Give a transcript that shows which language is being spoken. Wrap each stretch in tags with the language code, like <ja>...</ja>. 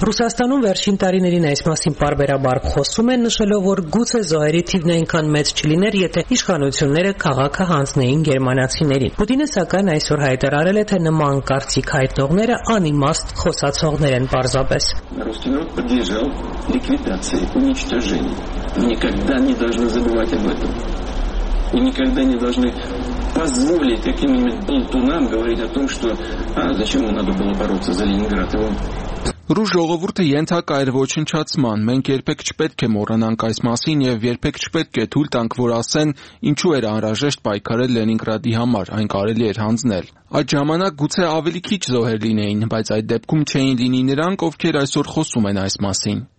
<hy>Ռուսաստանում վերջին տարիներին այս մասին բարբերաբար խոսում են, նշելով, որ գուցե զոհերի թիվն այնքան մեծ չլիներ, եթե իշխանությունները քաղաքը հանձնեին գերմանացիներին։ Պուտինը սակայն այսօր հայտարարել է, թե նման կարծիք հայտնողները անիմաստ խոսացողներ են պարզապես։ Ռուսաստանը պատժել</hy> <ru>ликвидации уничтожения. Мы никогда не должны забывать об этом. И никогда не должны позволить каким-нибудь болтунам говорить о том, что зачем ему надо было бороться за Ленинград.</ru> <hy>Ռուս ժողովուրդը ենթակա էր ոչնչացման, մենք երբեք չպետք է մոռանանք այս մասին և երբեք չպետք է թույլ տանք, որ ասեն, ինչու էր անհրաժեշտ պայքարել Լենինգրադի համար, այն կարելի էր հանձնել։ Այդ ժամանակ գուցե ավելի քիչ զոհեր լինեին, բայց այդ դեպքում չէին լինի նրանք, ովքեր այսօր խոսում են այս մասին։</hy>